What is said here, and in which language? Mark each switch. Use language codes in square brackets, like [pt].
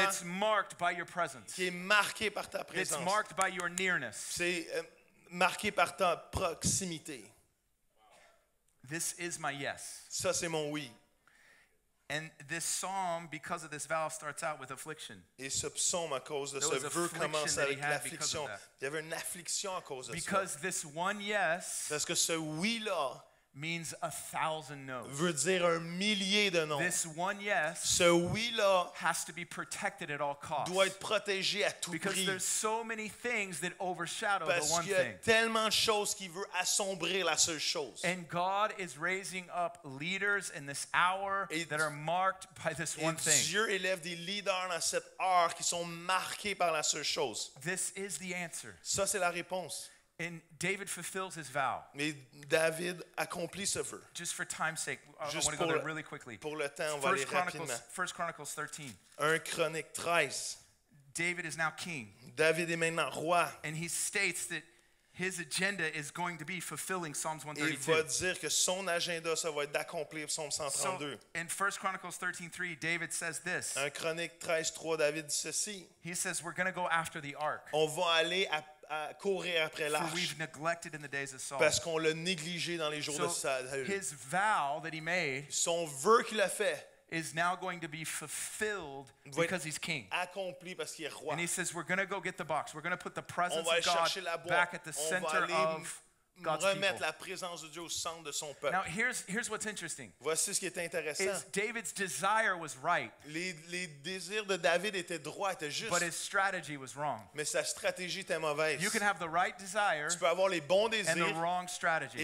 [en] That's marked by your presence. [fr] Qui est marqué par ta présence. [en] That's marked by your nearness. [fr] C'est marqué par ta proximité. [en] This is my yes. [fr] Ça c'est mon oui. [en] And this psalm, because of this vow, starts out with affliction. [fr] Et ce psaume, à cause de ce vœu, commence avec l'affliction. Il y avait une affliction à cause de ça. [en] Because this one yes, [fr] parce que ce oui-là, [en] means a thousand no's. [fr] Veut dire un millier de non. [en] This one yes, [fr] ce oui là, [en] has to be protected at all costs. [fr] Doit être protégé à tout [en] because [fr] prix. [en] There's so many things that overshadow [fr] parce [en] the one [fr] qu'il y a [en] thing. [fr] Tellement de choses qui veut assombrir la seule chose. [en] And God is raising up leaders in this hour [fr] et [en] that are marked by this one thing. [fr] Dieu élève des leaders dans cette heure qui sont marqués par la seule chose. [en] This is the answer. [fr] Ça c'est la réponse. [en] And David fulfills his vow. [fr] Mais David accomplit ce vœu. [en] Just for time's sake, I want to go there really quickly. [fr] Pour le temps, on va aller rapidement. [en] 1 Chronicles 13. [fr] 1 Chronique 13. [en] David is now king. [fr] David est maintenant roi. [en] And he states that his agenda is going to be fulfilling Psalms 132. [fr] Il va dire que son agenda ça va être d'accomplir Psaume 132. [en] So, in 1 Chronicles 13:3, David says this. [fr] 1 Chronique 13:3, David dit ceci. [en] He says we're going to go after the ark. [fr] On va aller à courir après l'arche. [en] For we've neglected in the days of Saul. [fr] Parce qu'on l'a négligé dans les jours [en] so [fr] de Saul. [en] His vow that he made. [fr] Son vœu qu'il a fait. [en] Is now going to be fulfilled because he's king. [fr] Accompli parce qu'il est roi. [en] And he says, we're going to go get the box. We're going to put the presence of God back at the center of God's people. [fr] Remettre la présence de Dieu au centre de son peuple. [en] Now, here's what's interesting. [fr] Voici ce qui est intéressant. [en] Is David's desire was right. [fr] Les désirs de David étaient droits, étaient justes. [en] But his strategy was wrong. [fr] Mais sa stratégie était mauvaise. [en] You can have the right desire. [fr] Tu peux avoir les bons désirs. [en] And the wrong strategy.